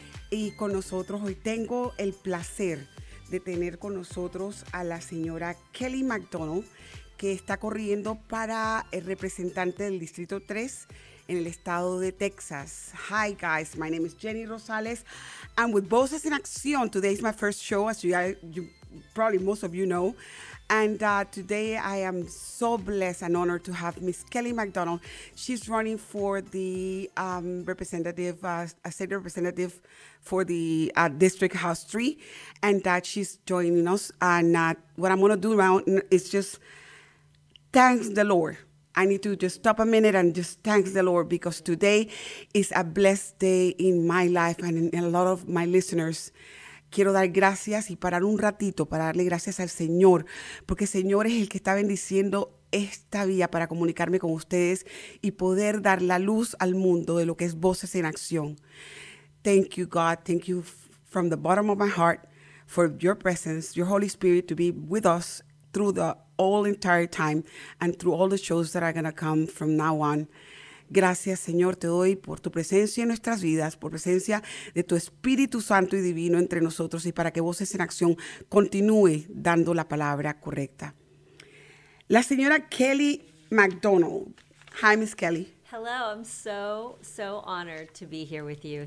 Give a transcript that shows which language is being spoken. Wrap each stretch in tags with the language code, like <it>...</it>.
<es>Y con nosotros hoy tengo el placer de tener con nosotros a la señora Kelly McDonald, que está corriendo para el representante del Distrito 3 en el estado de Texas.</es> <en>Hi guys, my name is Jenny Rosales. I'm with Voces en Acción. Today is my first show, as you probably most of you know. And today I am so blessed and honored to have Miss Kelly McDonald. She's running for the representative, a state representative for the District House 3. And she's joining us. And what I'm going to do now is just thank the Lord. I need to just stop a minute and just thank the Lord, because today is a blessed day in my life and in a lot of my listeners.</en> <es>Quiero dar gracias y parar un ratito para darle gracias al Señor, porque el Señor es el que está bendiciendo esta vía para comunicarme con ustedes y poder dar la luz al mundo de lo que es Voces en Acción.</es> <en>Thank you, God. Thank you from the bottom of my heart for your presence, your Holy Spirit, to be with us through the all entire time and through all the shows that are going to come from now on.</en> <es>Gracias, Señor, te doy por tu presencia en nuestras vidas, por presencia de tu Espíritu Santo y Divino entre nosotros, y para que Voces en Acción continúe dando la palabra correcta. La señora Kelly McDonald.</es> <en>Hi, Miss Kelly. Hello, I'm so honored to be here with you.</en>